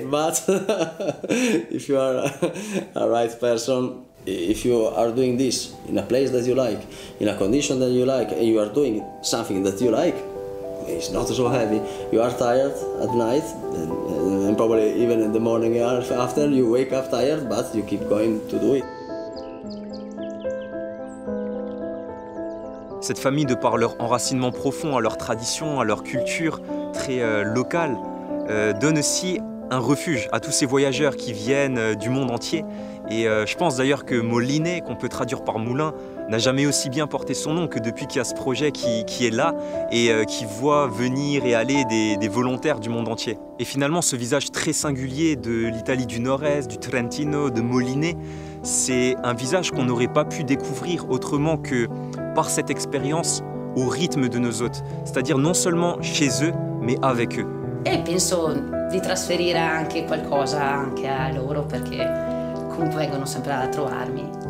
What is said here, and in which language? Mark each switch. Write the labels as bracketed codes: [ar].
[en] But if you are a right person, if you are doing this in a place that you like, in a condition that you like, and you are doing something that you like, it's not so heavy. You are tired at night, and probably even in the morning after, you wake up tired, but you keep going to do it. [fr] Cette famille, de par leur enracinement profond à leur tradition, à leur culture très locale, donne aussi un refuge à tous ces voyageurs qui viennent du monde entier. Et je pense d'ailleurs que Moliné, qu'on peut traduire par moulin, n'a jamais aussi bien porté son nom que depuis qu'il y a ce projet qui est là et qui voit venir et aller des volontaires du monde entier. Et finalement, ce visage très singulier de l'Italie du Nord-Est, du Trentino, de Moliné, c'est un visage qu'on n'aurait pas pu découvrir autrement que par cette expérience au rythme de nos hôtes, c'est-à-dire non seulement chez eux, mais avec eux. [it] Et penso di trasferire anche qualcosa anche a loro perché comunque vengono sempre a trovarmi.